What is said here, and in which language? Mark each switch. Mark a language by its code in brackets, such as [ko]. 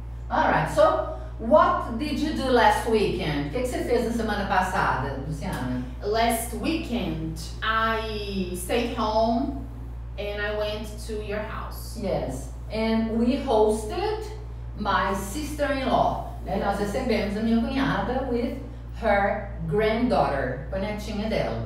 [en] All right, so what did you do last weekend? [pt] O que você fez na semana passada, Luciana? [en] Last weekend, I stayed home and I went to your house. Yes, and we hosted my sister-in-law. [pt] Yes. And nós recebemos a minha cunhada [en] with her granddaughter, [pt] com a netinha dela.